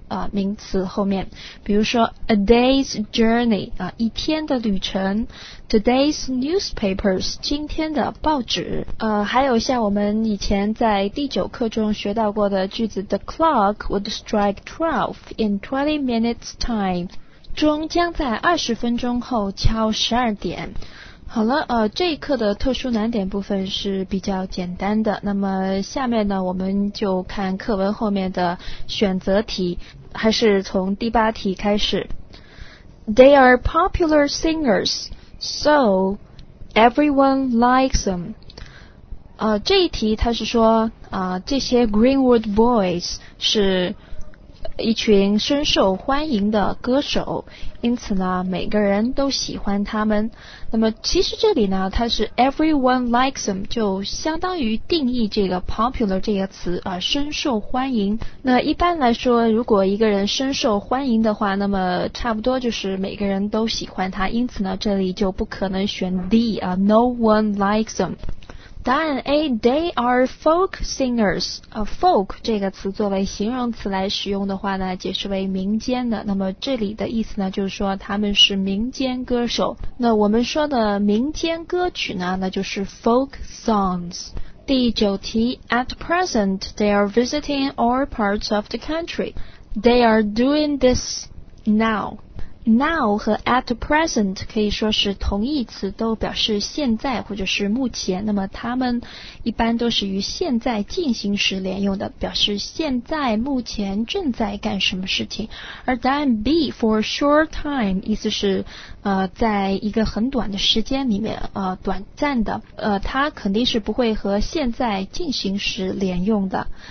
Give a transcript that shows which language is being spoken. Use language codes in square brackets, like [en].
[zh] 名词后面，比如说 [en] a day's journey [zh] 一天的旅程， [en] today's newspapers [zh] 今天的报纸，还有像我们以前在第九课中学到过的句子 [en] the clock would strike 12 in 20 minutes time， [zh] 钟将在20分钟后敲12点。好了，这一课的特殊难点部分是比较简单的，那么下面呢我们就看课文后面的选择题，还是从第八题开始。 [en] They are popular singers, so everyone likes them。 [zh] 这一题它是说这些 Greenwood Boys 是一群深受欢迎的歌手，因此呢每个人都喜欢他们。那么其实这里呢它是 [en] everyone likes them， [zh] 就相当于定义这个 popular 这个词深受欢迎。那一般来说如果一个人深受欢迎的话，那么差不多就是每个人都喜欢他，因此呢这里就不可能选 [en] the no one likes them。 [zh] 答案 [en] A， they are folk singers。 [zh] folk 这个词作为形容词来使用的话呢，解释为民间的，那么这里的意思呢就是说他们是民间歌手。那我们说的民间歌曲呢，那就是 folk songs。第九题， [en] At present they are visiting all parts of the country， they are doing this now。 [zh] now 和 at present 可以说是同义词，都表示现在或者是目前，那么他们一般都是与现在进行时连用的，表示现在目前正在干什么事情。而答案 B， [en] for a short time [zh] 意思是在一个很短的时间里面短暂的，它肯定是不会和现在进行时连用的。